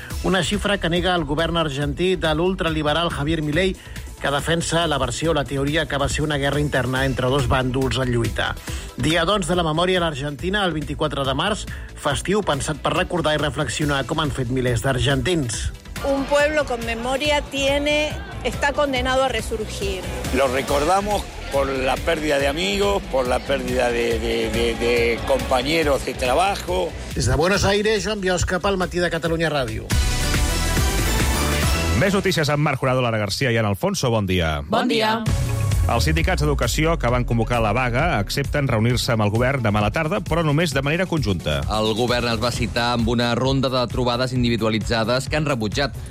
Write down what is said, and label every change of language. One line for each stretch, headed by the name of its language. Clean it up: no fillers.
Catalan: Una xifra que nega el govern argentí de l'ultraliberal Javier Milei, que defensa la versió, la teoria, que va ser una guerra interna entre dos bàndols en lluita. Dia, doncs, de la memòria a l'Argentina, el 24 de març, festiu pensat per recordar i reflexionar com han fet milers d'argentins.
Spanish: Un pueblo con memoria tiene, está condenado a resurgir. Lo recordamos por la pérdida de amigos, por la pérdida de compañeros de trabajo.
Catalan: Des de Buenos Aires, Joan Biosca, pel Matí de Catalunya Ràdio. Més notícies amb Marc Jurado, Lara García i Ana Alfonso. Bon dia. Bon dia. Els sindicats d'educació que van convocar la vaga accepten reunir-se amb el govern demà a la tarda, però només de manera conjunta. El govern es va citar amb una ronda de trobades individualitzades que han rebutjat.